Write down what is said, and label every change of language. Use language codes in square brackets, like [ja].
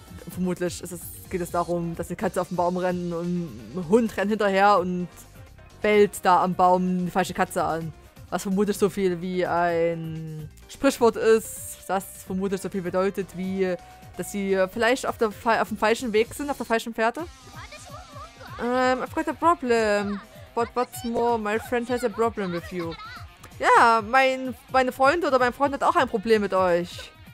[de] Vermutlich geht es darum, dass die Katze auf dem Baum rennt und ein Hund rennt hinterher und bellt da am Baum die falsche Katze an. Was vermutlich so viel wie ein Sprichwort ist, das vermutlich so viel bedeutet wie, dass sie vielleicht auf dem falschen Weg sind, auf der falschen Fährte. [en] I've got a problem. But what's more, my friend has a problem with you. [de] Ja, meine Freundin oder mein Freund hat auch ein Problem mit euch.